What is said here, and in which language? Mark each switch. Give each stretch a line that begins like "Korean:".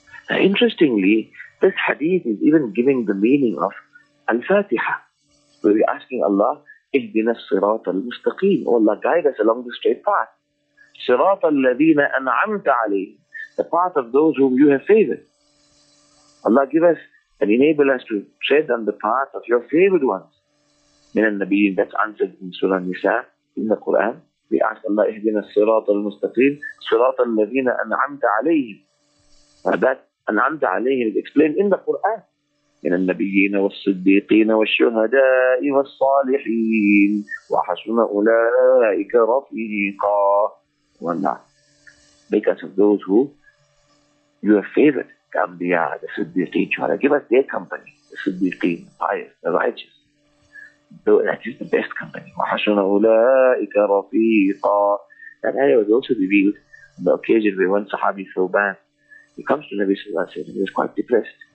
English: Now interestingly, this hadith is even giving the meaning of Al-Fatiha, where we're asking Allah,
Arabic: اهدنا الصراط المستقيم,
English: oh Allah, guide us along the straight path.
Arabic: صراط الذين أنعمت عليهم,
English: the path of those whom you have favored. Allah, give us and enable us to tread on the path of your favored ones.
Arabic: من النبيين,
English: that's answered in Surah Nisa, in the Quran. We ask Allah,
Arabic: اهدنا الصراط المستقيم, صراط الذين أنعمت عليهم.
English: That
Arabic: أنعمت عليهم
English: is explained in the Quran.
Arabic: من النبيين والصديقين والشهداء والصالحين وحسن أولئك رفيقا.
English: Allah, make us of those who you have favored, the Anbiya, the Siddiqeen, Shuhada. Give us their company, the Siddiqeen, the pious, the righteous. Though that is the best company.
Arabic: وَحَشُنَ أُولَٰئِكَ رَفِيقًا.
English: That ayah was also revealed on the occasion where one Sahabi Thawban, he comes to Nabi Sallallahu Alaihi Wasallam, he was quite depressed.